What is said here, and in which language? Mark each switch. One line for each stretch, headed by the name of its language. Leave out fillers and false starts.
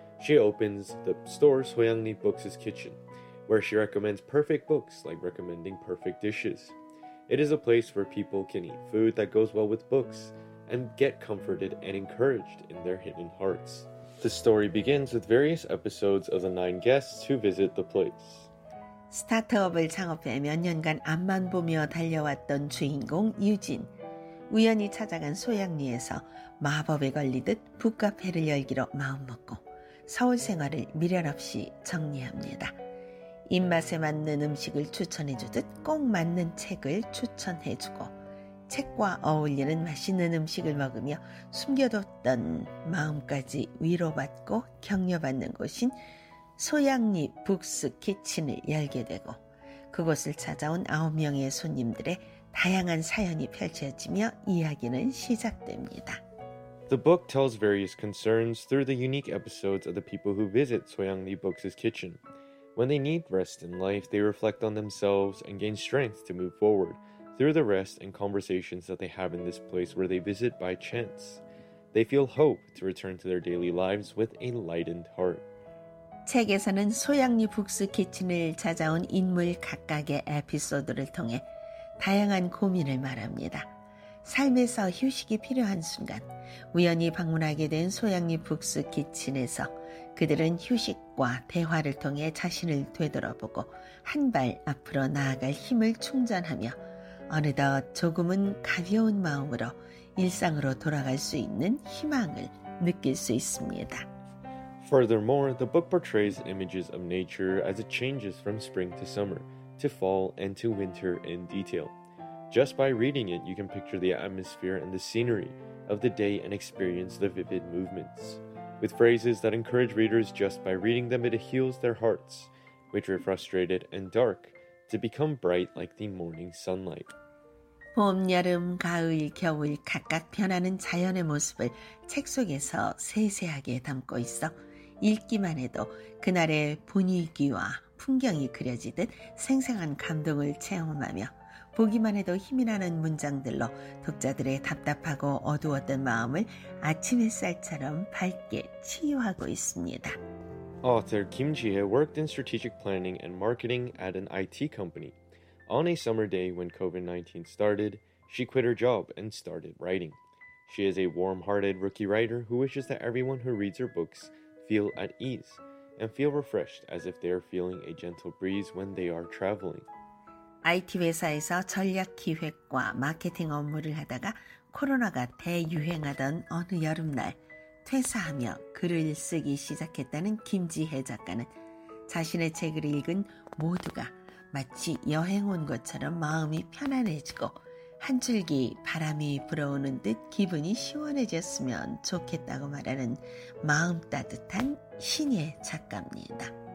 English: She opens the store Soyangri Books' Kitchen, where she recommends perfect books like recommending perfect dishes. It is a place where people can eat food that goes well with books and get comforted and encouraged in their hidden hearts. The story begins with various episodes of the nine guests who visit the place.
Korean: 스타트업을 창업해 몇 년간 앞만 보며 달려왔던 주인공 유진. 우연히 찾아간 소양리에서 마법에 걸리듯 북카페를 열기로 마음먹고 서울 생활을 미련 없이 정리합니다. 입맛에 맞는 음식을 추천해주듯 꼭 맞는 책을 추천해주고 책과 어울리는 맛있는 음식을 먹으며 숨겨뒀던 마음까지 위로받고 격려받는 곳인 소양리 북스 키친을 열게 되고 그곳을 찾아온 9명의 손님들의 다양한 사연이 펼쳐지며 이야기는 시작됩니다.
English: The book tells various concerns through the unique episodes of the people who visit Soyangri Books' kitchen. When they need rest in life, they reflect on themselves and gain strength to move forward. Through the rest and conversations that they have in this place where they visit by chance, they feel hope to return to their daily lives with a lightened heart.
Korean: 책에서는 소양리 북스 키친을 찾아온 인물 각각의 에피소드를 통해 다양한 고민을 말합니다. 삶에서 휴식이 필요한 순간, 우연히 방문하게 된 소양리 북스 키친에서 그들은 휴식과 대화를 통해 자신을 되돌아보고 한 발 앞으로 나아갈 힘을 충전하며 어느덧 조금은 가벼운 마음으로 일상으로 돌아갈 수 있는 희망을 느낄 수 있습니다.
English: Furthermore, the book portrays images of nature as it changes from spring to summer, to fall and to winter in detail. Just by reading it, you can picture the atmosphere and the scenery of the day and experience the vivid movements. With phrases that encourage readers just by reading them, it heals their hearts, which are frustrated and dark, to become bright like the morning sunlight.
Korean: 봄, 여름, 가을, 겨울 각각 변하는 자연의 모습을 책 속에서 세세하게 담고 있어 읽기만 해도 그날의 분위기와 풍경이 그려지듯 생생한 감동을 체험하며 보기만 해도 힘이 나는 문장들로 독자들의 답답하고 어두웠던 마음을 아침 햇살처럼 밝게 치유하고 있습니다.
English: Author Kim Ji-hye worked in strategic planning and marketing at an IT company. On a summer day when COVID-19 started, she quit her job and started writing. She is a warm-hearted rookie writer who wishes that everyone who reads her books feel at ease and feel refreshed as if they are feeling a gentle breeze when they are traveling.
Korean: IT 회사에서 전략 기획과 마케팅 업무를 하다가 코로나가 대유행하던 어느 여름날 퇴사하며 글을 쓰기 시작했다는 김지혜 작가는 자신의 책을 읽은 모두가 마치 여행 온 것처럼 마음이 편안해지고 한 줄기 바람이 불어오는 듯 기분이 시원해졌으면 좋겠다고 말하는 마음 따뜻한 신예 작가입니다.